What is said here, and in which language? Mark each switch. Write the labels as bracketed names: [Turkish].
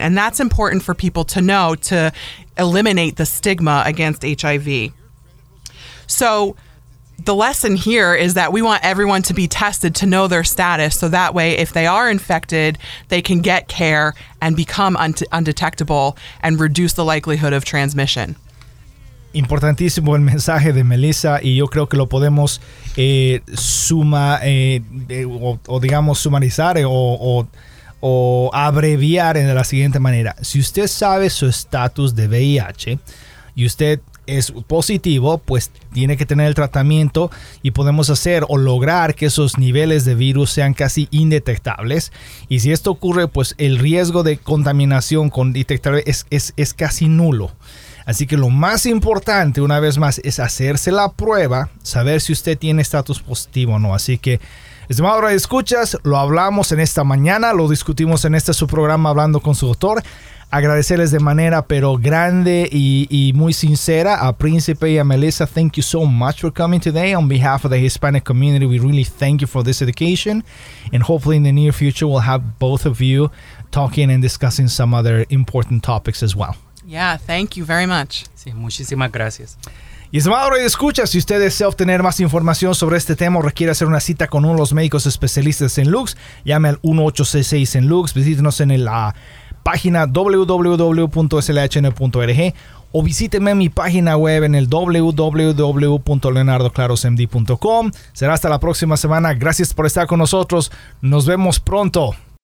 [English] And that's important for people to know to eliminate the stigma against HIV. So the lesson here is that we want everyone to be tested to know their status. So that way, if they are infected, they can get care and become undetectable and reduce the likelihood of transmission. [Spanish] Importantísimo el mensaje de Melissa, y yo creo que lo podemos sumarizar o abreviar de la siguiente manera. Si usted sabe su estatus de VIH y usted es positivo, pues tiene que tener el tratamiento y podemos hacer o lograr que esos niveles de virus sean casi indetectables. Y si esto ocurre, pues el riesgo de contaminación con detectar es casi nulo. Así que lo más importante, una vez más, es hacerse la prueba, saber si usted tiene estatus positivo o no. Así que, estimado radio escuchas, lo hablamos en esta mañana, lo discutimos en este su programa Hablando con su Doctor. Agradecerles de manera pero grande y muy sincera a Príncipe y a Melissa. [English] Thank you so much for coming today. On behalf of the Hispanic community, we really thank you for this education. And hopefully in the near future, we'll have both of you talking and discussing some other important topics as well. Yeah, thank you very much. [Spanish] Sí, muchísimas gracias. Y es más, radio escucha, si usted desea obtener más información sobre este tema o requiere hacer una cita con uno de los médicos especialistas en Lux, llame al 1-866-LUX, visítenos en la página www.slhn.org o visíteme en mi página web en el www.leonardoclarosmd.com. Será hasta la próxima semana. Gracias por estar con nosotros. Nos vemos pronto.